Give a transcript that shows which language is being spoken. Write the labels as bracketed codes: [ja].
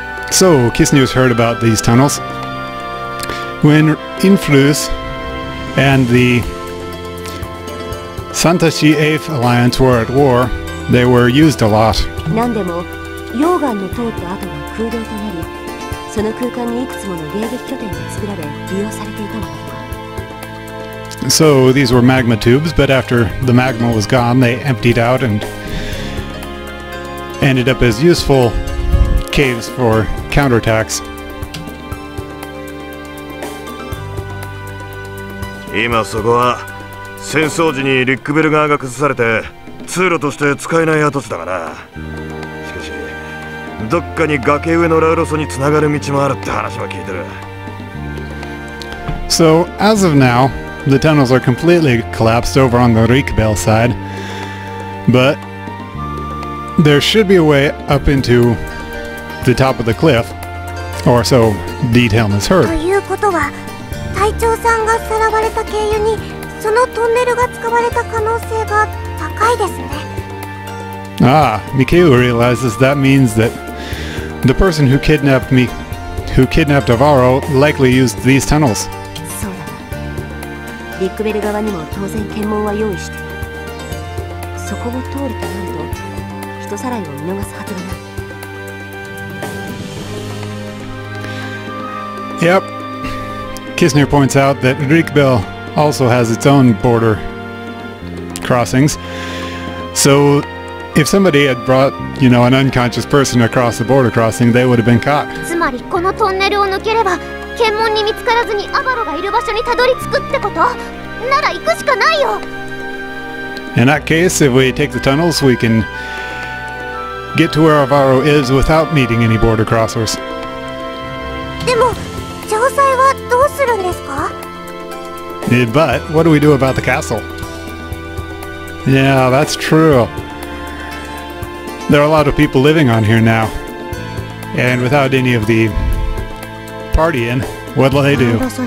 [en] So, Kisnews heard about these tunnels. When Influs and the Santa Shi Eif Alliance were at war, they were used a lot. [ja] なんでも、溶岩の通った跡が空洞となり、その空間にいくつもの迎撃拠点が作られ、利用されていたのだろう。 [en] So, these were magma tubes, but after the magma was gone, they emptied out and ended up as useful caves for counterattacks. [ja] 今そこは、戦争時にリックベル側が崩されて、通路として使えない跡地だから。どっかに崖上のラウロソにつながる道もあるって話は聞いてる。 [en] So, as of now, the tunnels are completely collapsed over on the Rickbell side. But there should be a way up into the top of the cliff, or so detail has heard. [ja] ということは、隊長さんがさらわれた経由にそのトンネルが使われた可能性が高いですね。 [en] Ah, Mikayu realizes that means thatThe person who kidnapped me, who kidnapped Avaro, likely used these tunnels. [ja] そうだ。リックベル側にも当然検問は用意してる。そこを通るとなると、人さらいを見逃すはずがない。 [en] Yep. Kisner points out that Rickbell also has its own border crossings. So... If somebody had brought, you know, an unconscious person across the border crossing, they would have been caught. [ja] つまりこのトンネルを抜ければ、検問に見つからずにアバロがいる場所にたどり着くってこと? なら行くしかないよ! [en] In that case, if we take the tunnels, we can get to where Avaro is without meeting any border crossers. [ja] でも、城塞はどうするんですか? [en] But, what do we do about the castle? Yeah, that's true. There are a lot of people living on here now. And without any of the party in, what will they do?